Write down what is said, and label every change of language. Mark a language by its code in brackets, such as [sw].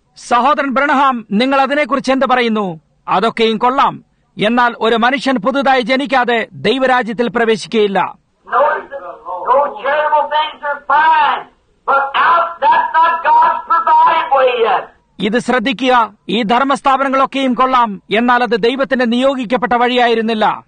[ml] സഹോദരൻ ബ്രണഹാം, നിങ്ങൾ അതിനെക്കുറിച്ച് എന്ത് പറയുന്നു? അതൊക്കെയും കൊള്ളാം, എന്നാൽ ഒരു മനുഷ്യൻ പുതുതായി ജനിക്കാതെ ദൈവരാജ്യത്തിൽ പ്രവേശിക്കുകയില്ല. [en] No charitable things are fine, but that's not God's provided way yet. [ml] ഇത് ശ്രദ്ധിക്കുക, ഈ ധർമ്മസ്ഥാപനങ്ങളൊക്കെയും കൊള്ളാം, എന്നാൽ അത് ദൈവത്തിന്റെ നിയോഗിക്കപ്പെട്ട വഴിയായിരുന്നില്ല.